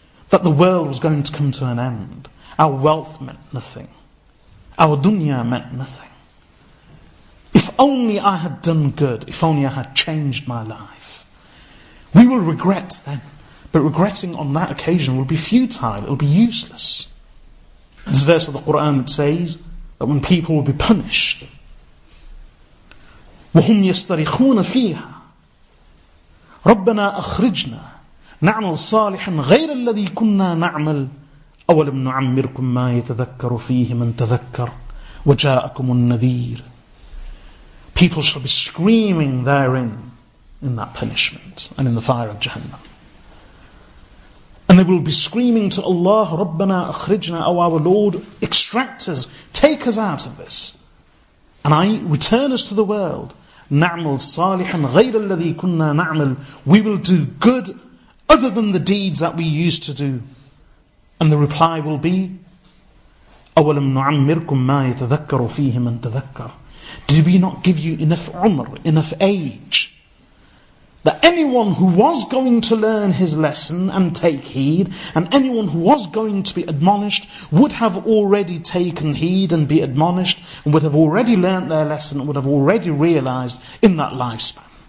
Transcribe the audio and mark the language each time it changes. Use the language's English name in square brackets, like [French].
[English] That the world was going to come to an end. Our wealth meant nothing. Our dunya meant nothing. If only I had done good, if only I had changed my life. We will regret then, but regretting on that occasion will be futile, it will be useless. This verse of the Quran says that when people will be punished, [Arabic] وَهُمْ يَسْتَرِخُونَ فِيهَا ربنا أخرجنا نعمل صالحا غير الذي كنا نعمل أولم نعمركم ما يتذكر فيه من تذكر وجاءكم النذير. [English] People shall be screaming therein, in that punishment and in the fire of Jahannam. And they will be screaming to Allah, [Arabic] ربنا أخرجنا, [English] O our Lord, extract us, take us out of this. And I return us to the world. [Arabic] نَعْمَلْ صَالِحًا غَيْرَ الَّذِي كُنَّا نَعْمَلْ. [English] We will do good other than the deeds that we used to do. And the reply will be, [Arabic] أَوَلَمْ نُعَمِّرْكُمْ مَا يَتَذَكَّرُ فِيهِ مَنْ تَذَكَّرُ. [English] Did we not give you enough umr, enough age, that anyone who was going to learn his lesson and take heed, and anyone who was going to be admonished, would have already taken heed and be admonished, and would have already learned their lesson, and would have already realized in that lifespan.